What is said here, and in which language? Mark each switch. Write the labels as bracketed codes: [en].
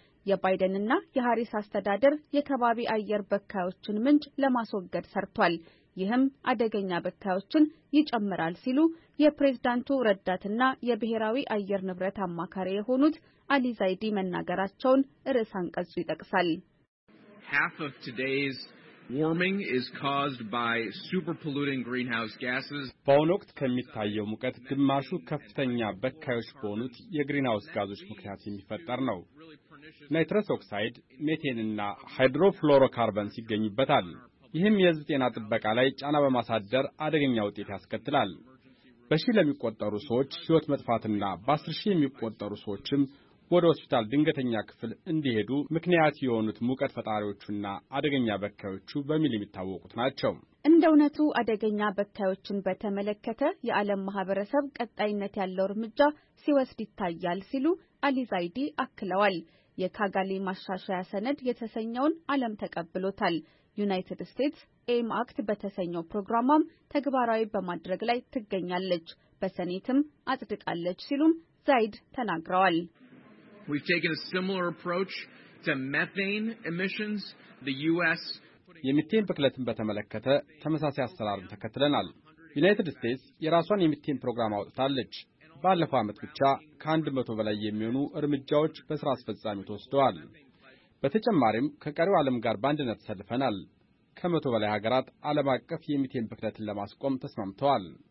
[am] የባይደንና የሃሪስ አስተዳደር የከባቢ አየር በካዮችን ምንጭ ለማስወገድ ሰርቷል። ይህም አደገኛ በካዮችን ይጨምራል ሲሉ የፕሬዝዳንቱ ረዳትና የብሔራዊ አየር ንብረት አማካሪ የሆኑት አሊ ዛይዲ መናገራቸውን ርዕሰ አንቀጹ ይጠቅሳል። [en] Half of today's warming is caused by super polluting greenhouse gases. [am] በአሁኑ ከሚታየው ሙቀት ግማሹ ከፍተኛ በካዮች በሆኑት የግሪንሃውስ ጋዞች ምክንያት የሚፈጠር ነው። ናይትረስ ኦክሳይድ፣ ሜቴንና ሃይድሮፍሎሮካርበን ሲገኙበታል። ይህም የዚህ ጤና ጥበቃ ላይ ጫና በማሳደር አደገኛ ውጤት ያስከትላል። በሺ ለሚቆጠሩ ሰዎች ህይወት መጥፋትና በ10,000 የሚቆጠሩ ሰዎችም ወደ ሆስፒታል ድንገተኛ ክፍል እንዲሄዱ ምክንያት የሆኑት ሙቀት ፈጣሪዎቹና አደገኛ በካዮቹ በሚል የሚታወቁት ናቸው። እንደውነቱ አደገኛ በካዮችን በተመለከተ የዓለም ማህበረሰብ ቀጣይነት ያለው ርምጃ ሲወስድ ይታያል ሲሉ አሊ ዛይዲ አክለዋል። የካጋሊ ማሻሻያ ሰነድ የተሰኘውን ዓለም ተቀብሎታል። ዩናይትድ ስቴትስ ኤም አክት በተሰኘው ፕሮግራማም ተግባራዊ በማድረግ ላይ ትገኛለች፣ በሰኔትም አጽድቃለች ሲሉም ዛይድ ተናግረዋል። [en] We've taken a similar approach to methane emissions. The US [am] የሚቴን ብክለትን በተመለከተ ተመሳሳይ አሰራርን ተከትለናል። ዩናይትድ ስቴትስ የራሷን የሚቴን ፕሮግራም አውጥታለች። ባለፈው አመት ብቻ ከ100 በላይ የሚሆኑ እርምጃዎች በስራ አስፈጻሚ ተወስደዋል። በተጨማሪም ከቀሪው ዓለም ጋር ባንድነት ተሰልፈናል። ከ100 በላይ ሀገራት ዓለም አቀፍ የሚቴን ብክለትን ለማስቆም ተስማምተዋል።